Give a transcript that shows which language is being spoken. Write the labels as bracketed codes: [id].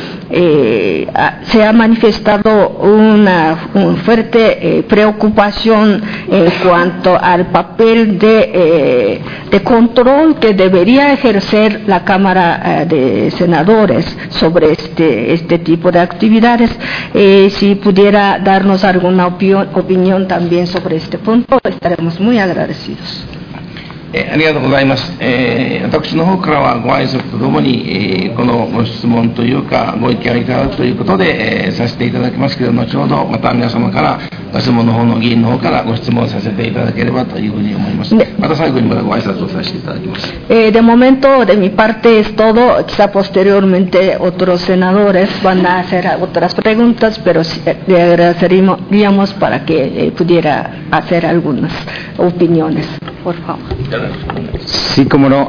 [es] Se ha manifestado una fuerte preocupación en cuanto al papel de control que debería ejercer la Cámara de Senadores sobre este tipo de actividades. Si pudiera darnos alguna opinión también sobre este punto, estaremos muy agradecidos. [ja] ありがとうございます。私の方からはご挨拶とともに、このご質問というかご意見をいただくということで、させていただきますけど、後ほどまた皆様からご質問の方の議員の方からご質問させていただければというふうに思います。また最後にまたご挨拶をさせていただきます。 [es] De momento de mi parte es todo. Quizá posteriormente otros senadores van a hacer otras preguntas, pero le agradeceríamos para que pudiera hacer algunas opiniones, por favor. Sí, como no.